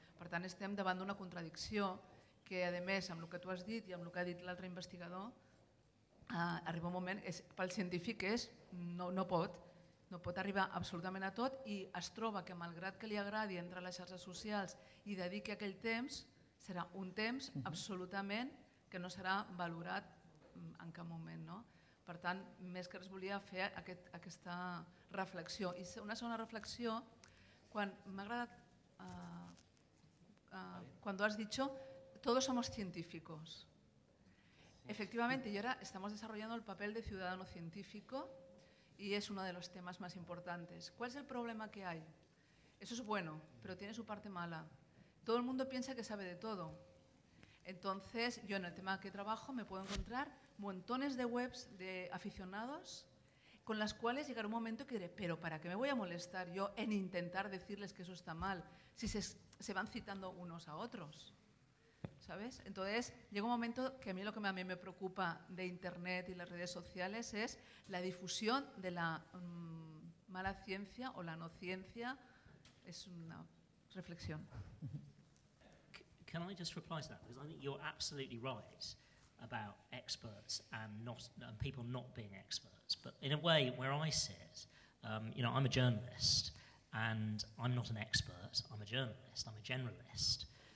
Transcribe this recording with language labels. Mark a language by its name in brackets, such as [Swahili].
[Catalan] Per tant, estem davant d'una contradicció que, a més, amb el que tu has dit i amb el que ha dit l'altre investigador, arriba un moment, pel científic és, no pot arribar absolutament a tot i es troba que, malgrat que li agradi entrar a les xarxes socials i dediqui aquell temps, serà un temps absolutament que no serà valorat en cap moment. No? Per tant, més que res volia fer aquesta reflexió. I una segona reflexió, quan m'ha agradat, quan has dit això, [Spanish] todos somos científicos. Efectivamente, y ahora estamos desarrollando el papel de ciudadano científico y es uno de los temas más importantes. ¿Cuál es el problema que hay? Eso es bueno, pero tiene su parte mala. Todo el mundo piensa que sabe de todo. Entonces, yo en el tema que trabajo me puedo encontrar montones de webs de aficionados con las cuales llegará un momento que diré, pero ¿para qué me voy a molestar yo en intentar decirles que eso está mal si se van citando unos a otros? ¿Sabes? Entonces, llega un momento que a mí lo que a mí me preocupa de Internet y las redes sociales es la difusión de la mala ciencia o la no ciencia. Es una reflexión. [English] Can I just reply to that? Because I think you're absolutely right about experts and not and people not being experts. But in a way, where I sit, you know, I'm a journalist and I'm not an expert. I'm a journalist. I'm a generalist.